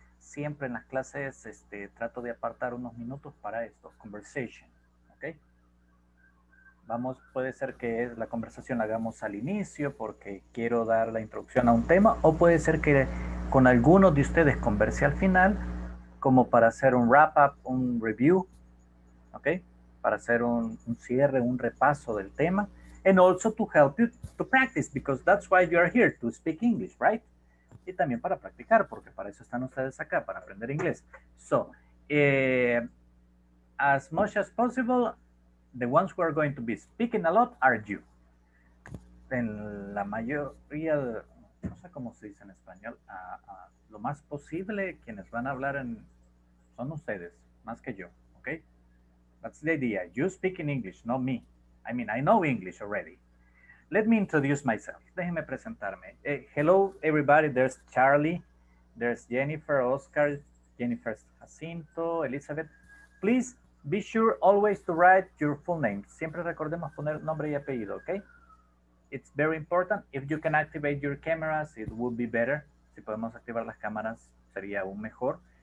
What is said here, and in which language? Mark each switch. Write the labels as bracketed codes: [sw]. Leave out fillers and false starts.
[es] Siempre en las clases trato de apartar unos minutos para estos conversations. ¿Okay? Vamos, puede ser que la conversación la hagamos al inicio porque quiero dar la introducción a un tema, o puede ser que con algunos de ustedes converse al final como para hacer un [en] wrap up, [es] un review, ¿ok? Para hacer un cierre, un repaso del tema, [en] and also to help you to practice, because that's why you are here, to speak English, right? [es] Y también para practicar, porque para eso están ustedes acá, para aprender inglés. [en] So, as much as possible, the ones who are going to be speaking a lot are you. [es] En la mayoría, no sé cómo se dice en español, lo más posible, quienes van a hablar en, son ustedes, más que yo, ¿ok? [en] That's the idea. You speak in English, not me. I mean, I know English already. Let me introduce myself. [es] Déjenme presentarme. [en] Hello, everybody. There's Charlie. There's Jennifer, Oscar, Jennifer Jacinto, Elizabeth. Please be sure always to write your full name. [es] Siempre recordemos poner nombre y apellido, [en] ¿ok? It's very important. If you can activate your cameras, it would be better. [es] Si podemos activar las cámaras, sería aún mejor.